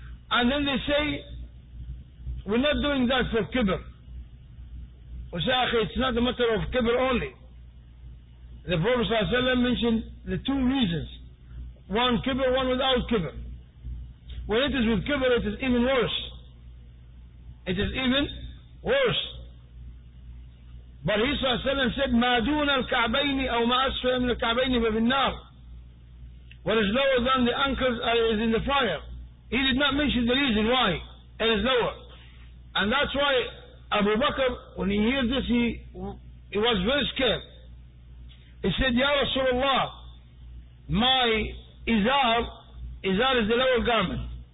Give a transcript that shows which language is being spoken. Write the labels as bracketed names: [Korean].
[English] And then they say, we're not doing that for kibr. We say, akhi, it's not a matter of kibr only. The Prophet Sallallahu Alaihi Wasallam mentioned the two reasons. One kibr, one without kibr. When it is with kibr, it is even worse. It is even worse. But he Sallallahu Alaihi Wasallam said, [Arabic] مَا دُونَ الْكَعْبَيْنِ أَوْ مَا أَسْفَيَ مِنَ الْكَعْبَيْنِ فَبِالنَّارِ. [English] What is lower than the ankles is in the fire. He did not mention the reason why it is lower. And that's why Abu Bakr, when he hears this, he was very scared. He said, Ya Rasulullah, my izar is the lower garment.